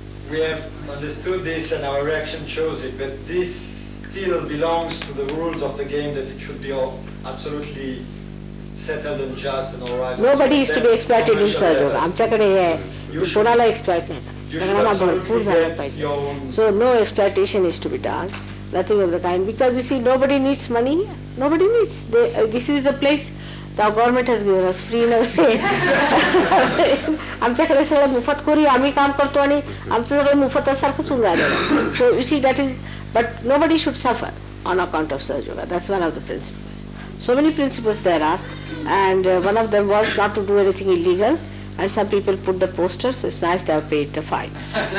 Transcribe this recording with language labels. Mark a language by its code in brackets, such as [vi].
[en] We have understood this and our reaction shows it, but this still belongs to the rules of the game that it should be all absolutely settled and just and all right. Nobody is to be exploited in Sahaja Yoga. [mr] आमच्याकडे हे कोणाला exploit नाही, भरपूर झालं पाहिजे. [en] So no exploitation is to be done, nothing of the kind, because you see nobody needs money, nobody needs. This is the place the government has given us free in a way. [mr] आमच्याकडे सगळं मोफत कोरी आम्ही काम करतो आणि आमचं सगळं मोफत असारखंच होऊन राहिलं. [en] So you see that is, but nobody should suffer on account of Sahaja Yoga. That's one of the principal. So many principles there are, and one of them was not to do anything illegal, and some people put the posters, so it's nice they have paid the fines.